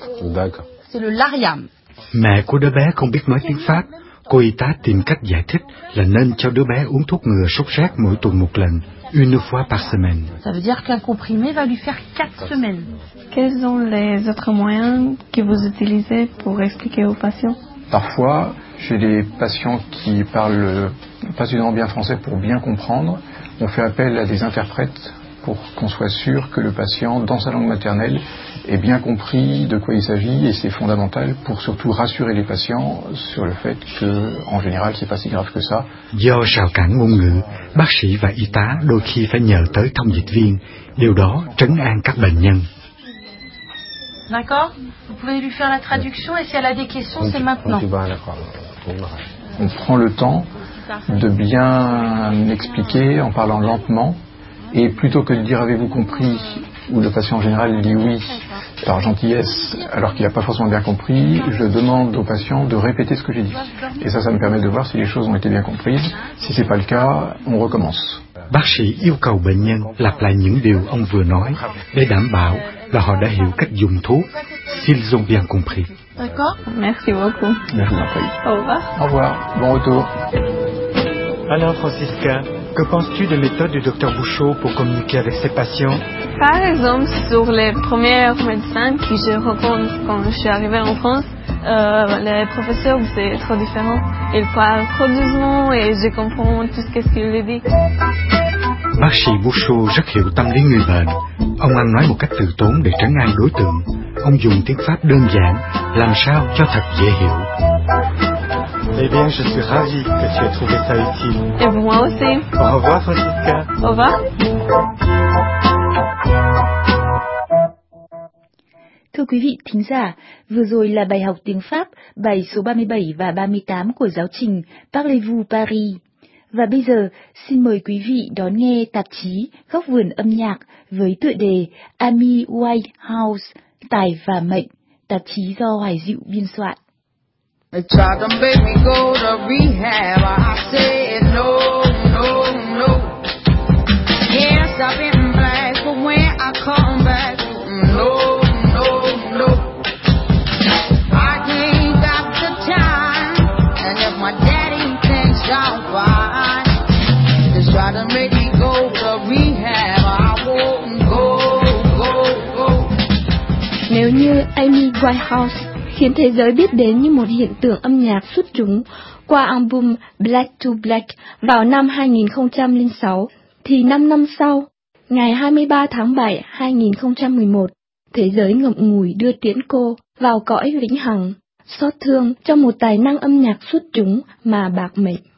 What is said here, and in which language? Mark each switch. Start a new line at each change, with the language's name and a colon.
French: D'accord. C'est le Lariam.
Vietnamese: Mẹ của đứa bé không biết nói tiếng Pháp. Cô y tá tìm cách giải thích là nên cho đứa bé uống thuốc ngừa sốt rét mỗi tuần một lần,
French: une fois par semaine. Ça veut dire qu'un comprimé va lui faire 4 semaines. Quels sont les autres moyens que vous utilisez pour expliquer aux patients? Parfois, chez les patients qui parlent passionnément bien français pour bien comprendre, on fait appel à des interprètes pour qu'on soit sûr que le patient, dans sa langue maternelle, ait bien compris de quoi il s'agit, et c'est fondamental pour surtout rassurer les patients sur le fait que, en général, c'est pas si grave que ça.
Vietnamese: Do rào cản ngôn ngữ, bác sĩ và y tá đôi khi phải nhờ tới thông dịch viên, điều đó trấn an các bệnh nhân.
French: D'accord. Vous pouvez lui faire la traduction et si elle a des questions, c'est maintenant. On prend le temps de bien expliquer en parlant lentement et plutôt que de dire avez-vous compris ou le patient en général dit oui par gentillesse alors qu'il n'a pas forcément bien compris, je demande au patient de répéter ce que j'ai dit. Et ça me permet de voir si les choses ont été bien comprises. Si ce n'est pas le cas, on recommence.
Vietnamese: Bác sĩ yêu cầu bệnh nhân lặp lại những điều ông vừa nói để đảm bảo là họ đã hiểu cách dùng thuốc,
French: s'ils ont bien compris. D'accord. Merci beaucoup. Merci. Au revoir. Au revoir. Bon retour. Alors, Francisca, que penses-tu des méthodes du docteur Boucho pour communiquer avec ses patients? Par exemple, sur les premiers médecins que je rencontre quand je suis arrivée en France, les professeurs, c'est trop différent. Ils parlent trop doucement et je comprends tout ce qu'ils lui disent.
Vietnamese: Bác sĩ Boucho rất hiểu tâm lý người bệnh. Ông ăn nói một cách từ tốn để trấn an đối tượng. Ông dùng tiếng Pháp đơn giản, làm sao cho thật dễ hiểu.
French: Eh bien, je suis ravie que tu aies trouvé ça utile. Et moi aussi. Au revoir, Francisca. Au revoir.
Vietnamese: Thưa quý vị thính giả, vừa rồi là bài học tiếng Pháp, bài số 37 và 38 của giáo trình Parlez-vous Paris. Và bây giờ, xin mời quý vị đón nghe tạp chí Góc vườn âm nhạc với tựa đề Amy Winehouse, Tài và Mệnh, tạp chí do Hoài Dịu biên soạn.
English: They tried to make me go to rehab, I said no, no, no. Yes, I've been black, but when I come back, no, no, no. I came back to time, and if my daddy thinks I'm fine. They tried to make me go to rehab, I won't go, go, go.
Vietnamese: Nếu như Amy Winehouse khiến thế giới biết đến như một hiện tượng âm nhạc xuất chúng qua album Black to Black vào năm 2006, thì 5 năm sau, ngày 23 tháng 7, 2011, thế giới ngậm ngùi đưa tiễn cô vào cõi vĩnh hằng, xót thương cho một tài năng âm nhạc xuất chúng mà bạc mệnh.